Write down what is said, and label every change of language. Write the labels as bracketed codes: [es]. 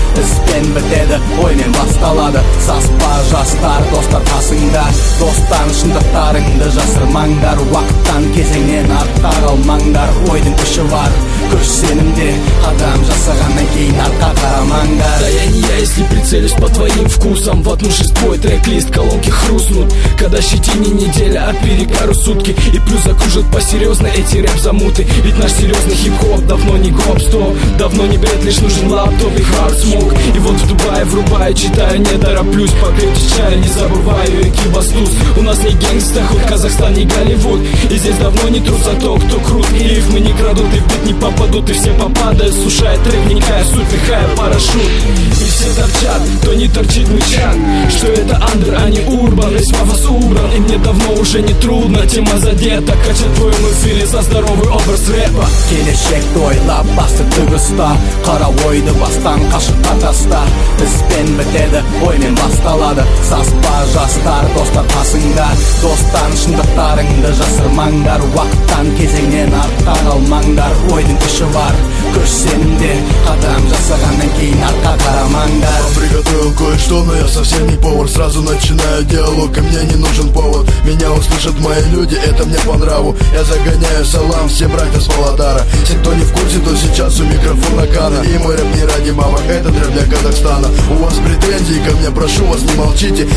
[kk] Іспен бітеді оймен басталады. Саспа жастар достар қасыңда. Достан шындықтарыңды жасырмаңдар. Уақыттан кезеңнен артта қалмаңдар. Ойдың күші бар, күш сенімде. Адам жасағаннан кейін артқа қарамаңдар. [ru] Да я не я, если прицелюсь по твоим вкусам. В одну жизнь твой трек-лист колонки хрустнут. Когда щетине неделя, а перекару сутки. И плюс закружат посерьезно эти рэп-замуты. Ведь наш серьезный хип-хоп давно не гоп-стоп. Давно не бред, лишь нужен лаптоп и хард-смок. И вот в Дубае врубаю, читаю, не тороплюсь. Попейте чаю, не забываю, экибастуз. У нас не гэнгста, хоть Казахстан, не Голливуд. И здесь давно не трус, а то, кто крут. И рифмы не крадут, и в бит не попадут. И все попадают, сушая трек, вникая суть, пихая парашют. И все торчат, то не торчит мычан. Что это андер, а не урбан. Весь пафос убран, и мне давно уже не трудно. Тема задета, качать в твоем эфире за здоровый образ рэпа. [kk] Келешек той лапасты тугыста. Қара ойды бастан қашып атаста. Іспен бітеді оймен басталады. Саспа жастар достар қасыңда. Достан шындықтарыңды жасырмаңдар. Уақыттан кезеңнен артта қалмаңдар. Ойдың күші бар, күш сенімде. Адам жасағаннан кейін артқа қарамаңдар. [ru] Он приготовил кое-что, но я совсем не повар. Сразу начинаю диалог, и мне не нужен повод. Меня услышат мои люди, это мне по нраву. Я загоняю салам. Все братья с Володара. Все, кто не в курсе, то сейчас у микрофона Кана. И мой рэп не ради мамы, это рэп для Казахстана. У вас претензии ко мне, прошу вас, не молчите.